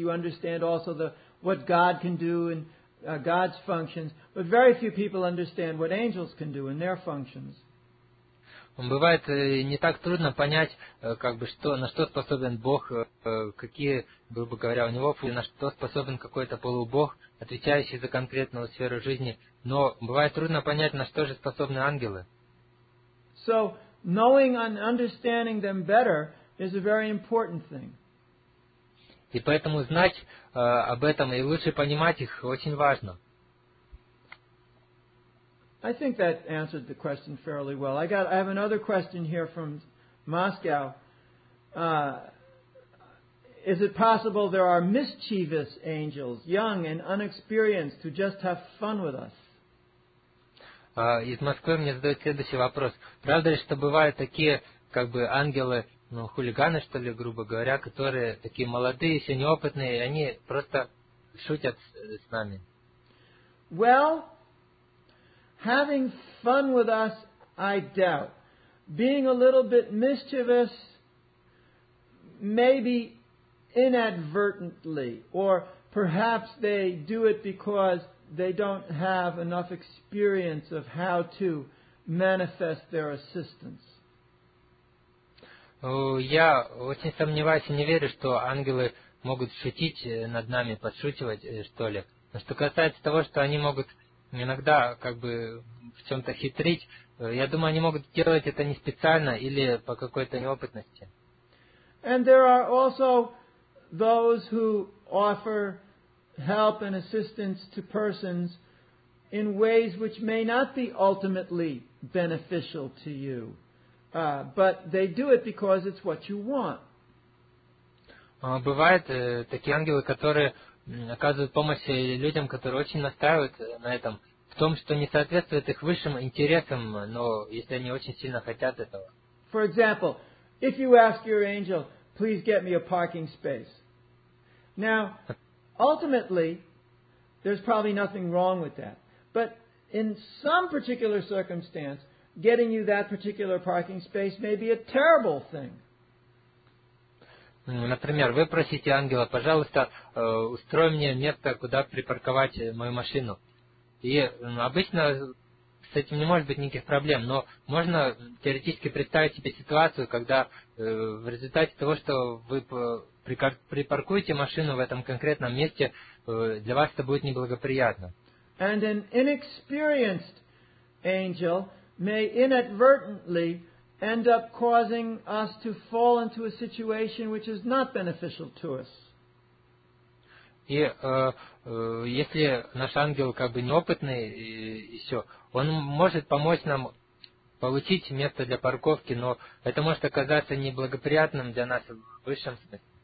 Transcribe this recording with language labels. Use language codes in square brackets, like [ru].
[en] You understand also what God can do and God's functions. But very few people understand what angels can do and their functions. [ru] Бывает не так трудно понять, как бы, что, на что способен Бог, какие, грубо говоря, у него функции, на что способен какой-то полубог, отвечающий за конкретную сферу жизни. Но бывает трудно понять, на что же способны ангелы. [en] So, knowing and understanding them better is a very important thing. [ru] И поэтому знать об этом и лучше понимать их очень важно. [en] I think that answered the question fairly well. I have another question here from Moscow. Is it possible there are mischievous angels, young and unexperienced, who just have fun with us? [ru] Из Москвы мне задают следующий вопрос. Правда ли, что бывают такие, как бы, ангелы, ну, хулиганы, что ли, грубо говоря, которые такие молодые, еще неопытные, и они просто шутят с нами? [en] Well, having fun with us, I doubt. Being a little bit mischievous, maybe inadvertently, or perhaps they do it because they don't have enough experience of how to manifest their assistance. [ru] Я очень сомневаюсь и не верю, что ангелы могут шутить над нами, подшучивать, что ли. Но что касается того, что они могут иногда, как бы, в чем-то хитрить, я думаю, они могут делать это не специально или по какой-то неопытности. [en] And there are also those who offer help and assistance to persons in ways which may not be ultimately beneficial to you. But they do it because it's what you want. [ru] Бывают такие ангелы, которые оказывают помощь людям, которые очень настаивают на этом, в том, что не соответствует их высшим интересам, но если они очень сильно хотят этого. [en] For example, if you ask your angel, please get me a parking space. Now, ultimately, there's probably nothing wrong with that. But in some particular circumstance, getting you that particular parking space may be a terrible thing. [ru] Например, вы просите ангела, пожалуйста, устрой мне место, куда припарковать мою машину. И обычно с этим не может быть никаких проблем, но можно теоретически представить себе ситуацию, когда в результате того, что вы припаркуете машину в этом конкретном месте, для вас это будет неблагоприятно. [en] And an inexperienced angel may inadvertently end up causing us to fall into a situation which is not beneficial to us. [ru] И если наш ангел как бы неопытный и все, он может помочь нам получить место для парковки, но это может оказаться неблагоприятным для нас в высшем смысле.